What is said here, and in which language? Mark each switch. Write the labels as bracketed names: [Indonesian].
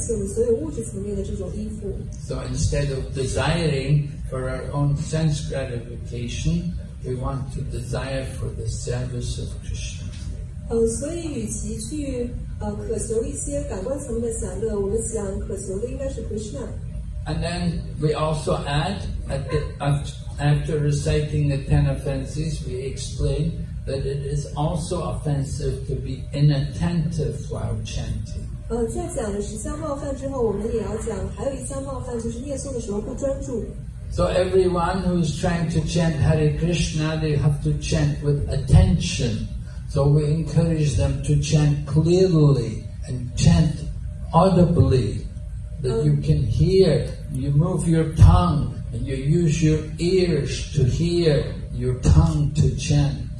[Chinese] 如果想向回事的臣服，需要放弃我们所有物质层面的这种依附。 [English] So instead of desiring for our own sense gratification, we want to desire for the service of Krishna. [Chinese] 所以与其去渴求一些感官层面的享乐，我们想渴求的应该是Krishna。 [English] And then we also add, after reciting the ten offenses, we explain that it is also offensive to be inattentive while chanting. [Chinese] 在讲了十项冒犯之后，我们也要讲还有一项冒犯，就是念诵的时候不专注。 [English] So everyone who is trying to chant Hare Krishna, they have to chant with attention. So we encourage them to chant clearly and chant audibly, that you can hear. You move your tongue and you use your ears to hear, your tongue to chant.